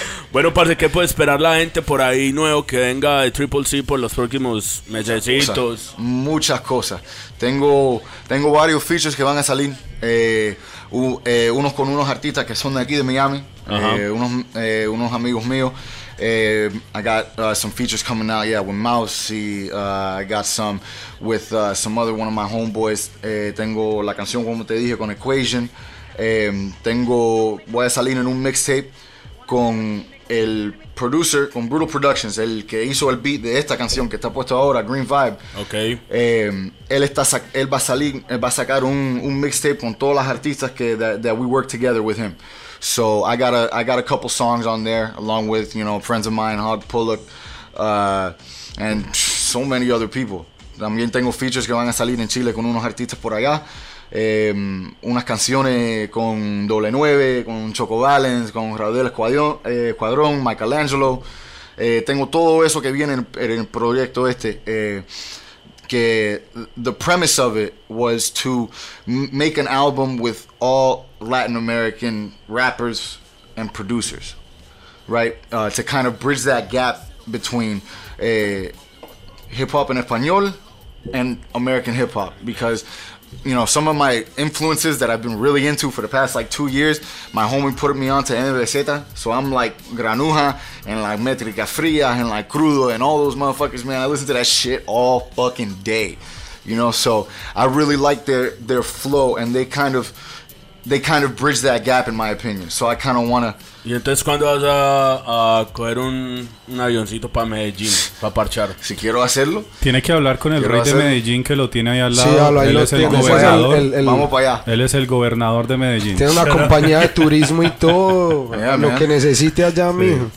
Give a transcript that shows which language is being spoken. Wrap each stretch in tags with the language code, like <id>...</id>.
<es>Bueno, parce, ¿qué puede esperar la gente por ahí nuevo que venga de Triple C por los próximos mesecitos? Muchas cosas. Tengo varios features que van a salir. Unos con unos artistas que son de aquí, de Miami. Unos amigos míos.</es> <en>I got some features coming out, yeah, with Mouse. I got some with some other one of my homeboys.</en> <es>Tengo la canción, como te dije, con Equation. Voy a salir en un mixtape con el producer, con Brutal Productions, el que hizo el beat de esta canción que está puesto ahora, Green Vibe. Okay. Él va a sacar un mixtape con todas las artistas</es> <en>that we work together with him. So I got a couple songs on there along with, you know, friends of mine, Hog Pullock, and so many other people.</en> <es>También tengo features que van a salir en Chile con unos artistas por allá, unas canciones con Doble 9, con Choco Valens, con Raudel Escuadrón, Michelangelo. Tengo todo eso que viene en el proyecto este, que</es> <en>the premise of it was to make an album with all Latin American rappers and producers, right? To kind of bridge that gap between hip-hop en español and American hip-hop, because, you know, some of my influences that I've been really into for the past like 2 years, my homie put me on to NBZ, so I'm like Granuja and like Métrica Fría and like Crudo and all those motherfuckers, man. I listen to that shit all fucking day, you know, so I really like their flow, and they kind of bridge that gap, in my opinion. So I kind of wanna.</en> <es>¿Y entonces cuándo vas a coger un avioncito para Medellín, para parchar? Si quiero hacerlo. Tiene que hablar con el rey de Medellín que lo tiene ahí al lado. Sí, hablo, ahí él lo es el gobernador. Vamos para allá. Él es el gobernador de Medellín. Tiene una compañía de turismo y todo. lo que necesite allá, sí. Mijo.</es>